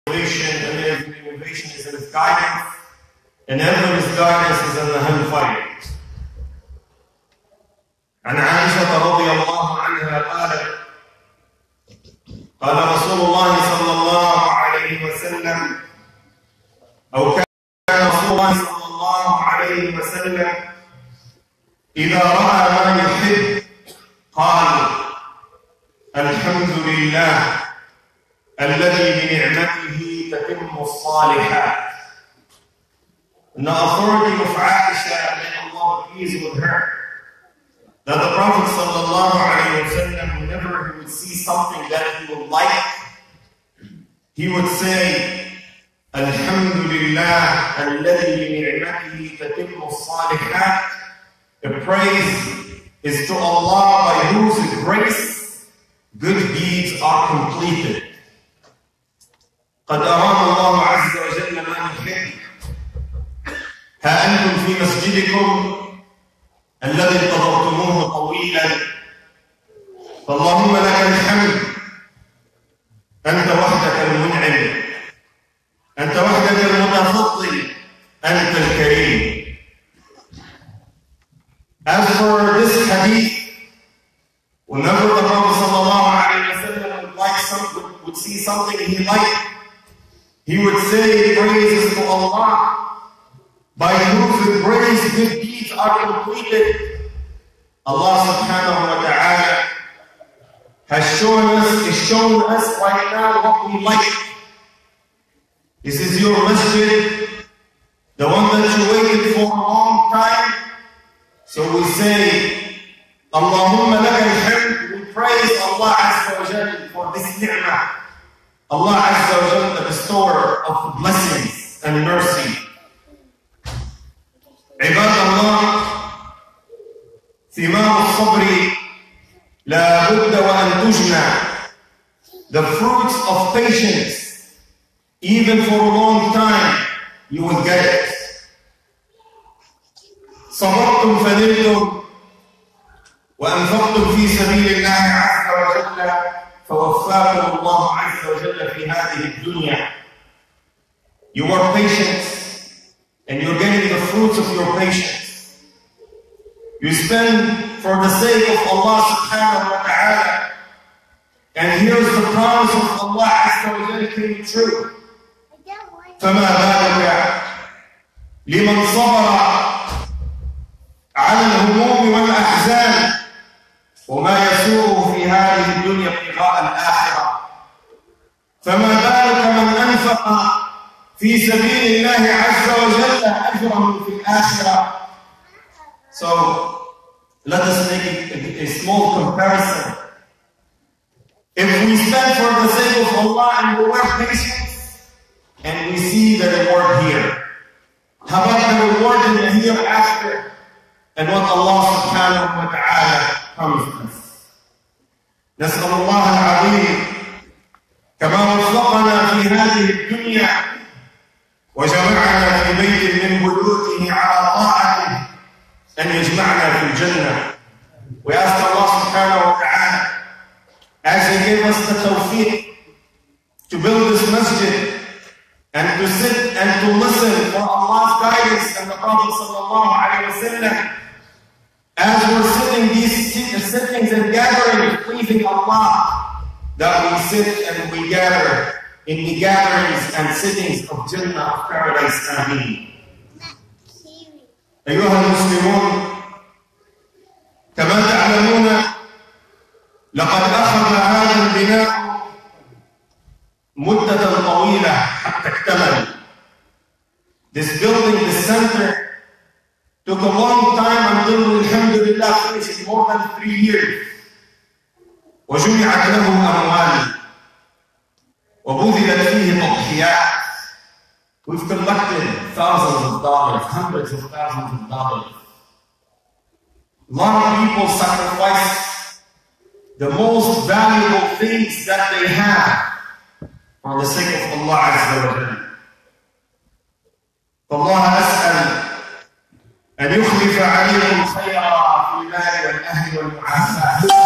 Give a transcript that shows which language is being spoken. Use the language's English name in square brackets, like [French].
[English] innovation is in guidance, and emblem is guidance is in the hand of fire. [Arabic] عن عائشة رضي الله عنها قالت قال رسول الله صلى الله عليه وسلم أو كان رسول الله صلى الله عليه وسلم إذا رأى ما يحب قال الحمد لله الذي بنعمته تتم الصالحات. [English] And the authority of Aisha, may Allah be pleased with her, that the Prophet sallallahu alayhi wa sallam, whenever he would see something that he would like, he would say, [Arabic] Alhamdulillah, alladhi bi ni'matihi tatimmu as-salihat. [English] The praise is to Allah by whose grace good deeds are completed. [Arabic] قَدْ أَرَانَ اللَّهُ عَزَّ وَجَلَّ مَا يُحِبُّ هَا أَنْتُمْ فِي مَسْجِدِكُمْ الذي انتظرتموه طويلا فاللهم لك الحمد انت وحدك المنعم انت وحدك المتفضل انت الكريم. [English] As for this hadith, whenever the Prophet [Arabic] صلى الله عليه وسلم [English] would see something he liked, he would say praises to Allah by whose grace good deeds are completed. Allah subhanahu wa ta'ala has shown us, is shown us right now what we like. This is your masjid, the one that you waited for a long time. So we say, [Arabic] Allahumma laka alhamd, [English] we praise Allah azza wa jal for this ni'mah. Allah azza wa jal, the bestower of blessings and mercy. [Arabic] عباد الله ثمار الصبر لا بد وان تجمع. [English] The fruits of patience, even for a long time, you will get it. [Arabic] صبرتم فنلتم وانفقتم في سبيل الله عز وجل فوفاكم الله عز وجل في هذه الدنيا. [English] You are patient and you're getting the fruits of your patience. You spend for the sake of Allah subhanahu wa ta'ala, and here's the promise of Allah azza wa jalla came true. [Arabic] فما بالك لمن صبر على الهموم والاحزان وما يسوءه في هذه الدنيا ابتغاء الاخره. فما بالك من انفق في سبيل الله عز وجل أجرهم في الآخرة. [English] So let us make a small comparison. If we spend for the sake of Allah and we work patience, and we see the reward here, how about the reward in the hereafter and what Allah subhanahu wa ta'ala promised us. [Arabic] نسأل الله العظيم كما وفقنا في هذه الدنيا وجمعنا في بيت من بيوته على طاعته أن يجمعنا في الجنة. [English] We ask Allah subhanahu wa ta'ala, as He gave us the tawfiq to build this masjid and to sit and to listen for Allah's guidance and the Prophet sallallahu alayhi wa sallam, as we're sitting these sittings and gatherings pleasing Allah, that we sit and we gather in the gatherings and sittings of Jannah of Paradise. Ameen. [Arabic] أيها المسلمون كما تعلمون لقد أخذ هذا البناء مدة طويلة حتى اكتمل. [English] This building, this center, took a long time until [Arabic] الحمد لله [English] finished, more than 3 years. [Arabic] وجمعت له أموال وبذلت فيه تضحيات. [English] We've collected thousands of dollars, hundreds of thousands of dollars. A lot of people sacrifice the most valuable things that they have for the sake of Allah Azza wa Jalla. [Arabic] فالله أسأل أن يخلف عليكم خيرا في المال والأهل والمعافاة.